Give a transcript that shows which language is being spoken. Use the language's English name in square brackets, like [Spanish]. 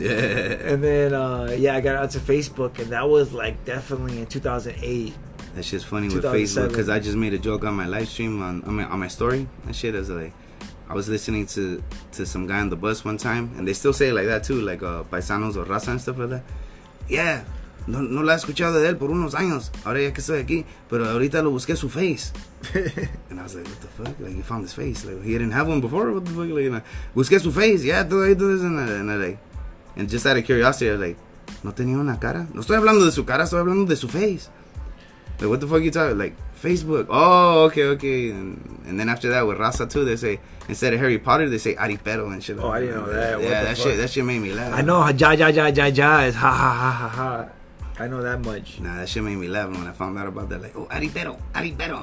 [English] And then, I got onto Facebook. And that was, like, definitely in 2008. That shit's funny with Facebook because I just made a joke on my live stream on my story. That shit is like, I was listening to some guy on the bus one time, and they still say it like that too, like paisanos or raza and stuff like that. [Spanish] Yeah, no la he escuchado de él por unos años. Ahora ya que estoy aquí, pero ahorita lo busqué su face. [English] And I was like, what the fuck? Like, you found his face. Like, he didn't have one before? What the fuck? Like, you know, busqué su face. Yeah, [Spanish] todo ahí, todo eso. [English] And just out of curiosity, I was like, [Spanish] no tenía una cara? No estoy hablando de su cara, estoy hablando de su face. [English] Like, what the fuck you talking about? Like, Facebook. Oh, okay. And then after that, with Raza, too, they say, instead of Harry Potter, they say Aripero and shit. Oh, I didn't know that. Yeah, that shit made me laugh. I know. Ja-ja-ja-ja-ja is ha-ha-ha-ha-ha. I know that much. Nah, that shit made me laugh when I found out about that. Like, oh, Aripero. Aripero.